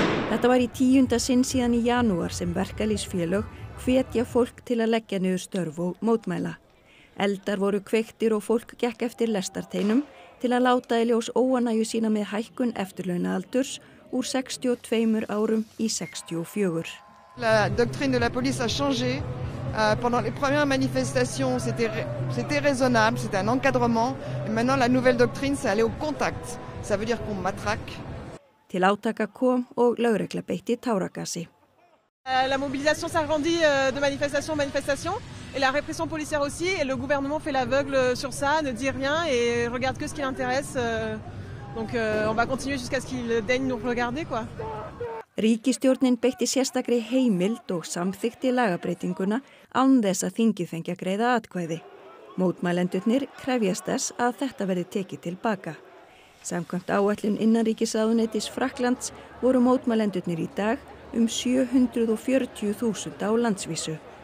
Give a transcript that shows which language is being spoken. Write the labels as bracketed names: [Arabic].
[Icelandic] Þetta var í tíunda sinn síðan í janúar sem verkalýsfélög hvetja fólk til að leggja niður störf og mótmæla. Eldar voru kveiktir og fólk gekk eftir lestarteinum til að láta í ljós óanægju sína með hækkun eftirlaunaaldurs úr 62 árum í 64. [French] La doctrine de la police a changé. Pendant les premières manifestations, c'était raisonnable, c'était un encadrement. Et maintenant, la nouvelle doctrine, c'est aller au contact. Ça veut dire qu'on matraque. [Icelandic] Til átaka kom og lögregla beitti táragasi. [French] La mobilisation s'agrandit de manifestation en manifestation. Et la répression policière aussi. Et le gouvernement fait l'aveugle sur ça, ne dit rien et regarde que ce qui l'intéresse. Donc on va continuer jusqu'à ce qu'il daigne nous regarder, quoi. [Icelandic] Ríkisstjórnin beitti sérstakri heimild og samþykkti lagabreytinguna án þess að þingið fengi að greiða atkvæði. Mótmælendurnir krefjast þess að þetta verði tekið til baka. Samkvæmt áætlun innanríkisráðuneytis Frakklands voru mótmælendurnir í dag 740.000 á landsvísu.